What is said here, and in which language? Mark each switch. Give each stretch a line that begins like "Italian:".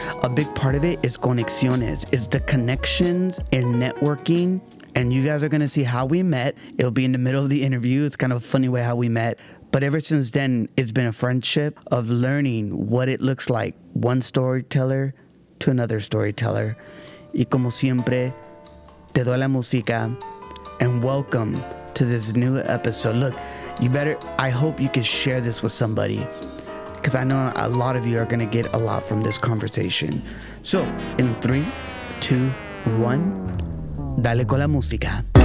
English: A big part of it is conexiones, is the connections and networking. And you guys are going to see how we met. It'll be in the middle of the interview. It's kind of a funny way how we met. But ever since then, it's been a friendship of learning what it looks like one storyteller to another storyteller.
Spanish: Y como siempre, te doy la música.
English: And welcome to this new episode. Look, I hope you can share this with somebody, because I know a lot of you are going to get a lot from this conversation. So, in 3, 2, 1,
Spanish: dale con la música.